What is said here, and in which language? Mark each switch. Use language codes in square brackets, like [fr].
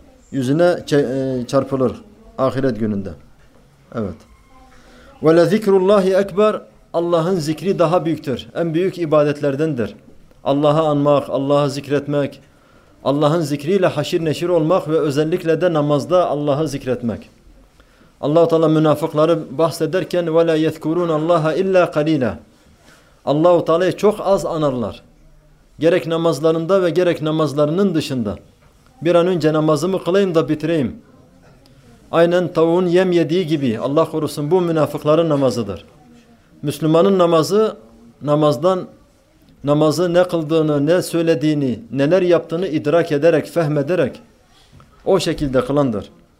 [tr] Yüzüne çarpılır ahiret gününde. Evet. [ar] Ve le zikrullahi ekber, [tr] Allah'ın zikri daha büyüktür. En büyük ibadetlerdendir. Allah'ı anmak, Allah'ı zikretmek. Allah'ın zikriyle haşir neşir olmak ve özellikle de namazda Allah'ı zikretmek. Allah-u Teala münafıkları bahsederken [ar] وَلَا يَذْكُرُونَ اللّٰهَ اِلَّا قَلِيلًا. [tr] Allah-u Teala'yı çok az anarlar. Gerek namazlarında ve gerek namazlarının dışında. Bir an önce namazımı kılayım da bitireyim. Aynen tavuğun yem yediği gibi, Allah korusun, bu münafıkların namazıdır. Müslümanın namazı namazdan, namazı ne kıldığını, ne söylediğini, neler yaptığını idrak ederek, fehmederek o şekilde kılandır.